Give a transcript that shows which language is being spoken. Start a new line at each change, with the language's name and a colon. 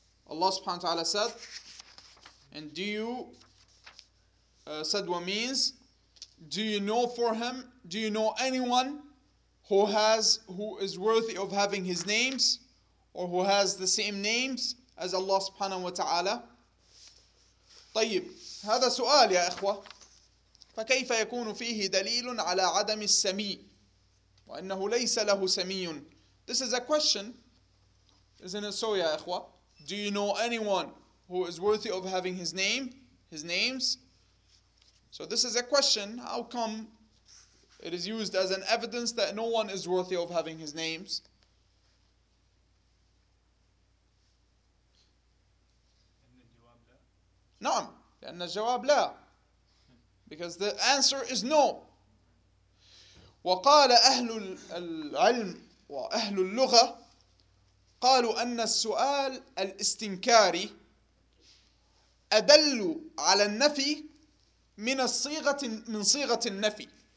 English: Allah subhanahu wa ta'ala said, and do you, sadwa means, do you know for him, do you know anyone who is worthy of having his names, or who has the same names as Allah subhanahu wa ta'ala?
Arabic: طيب, هذا سؤال يا إخوة, فكيف يكون فيه دليل على عدم السمي, وأنه ليس له سمي.
English: This is a question, isn't it so
Arabic: يا إخوة?
English: Do you know anyone who is worthy of having his name, his names? So this is a question. How come it is used as an evidence that no one is worthy of having his names?
Arabic: نعم. لأن الجواب لا.
English: Because the answer is no.
Arabic: وقال أهل العلم وأهل اللغة قالوا أن السؤال الاستنكاري أدل على النفي من صيغة النفي.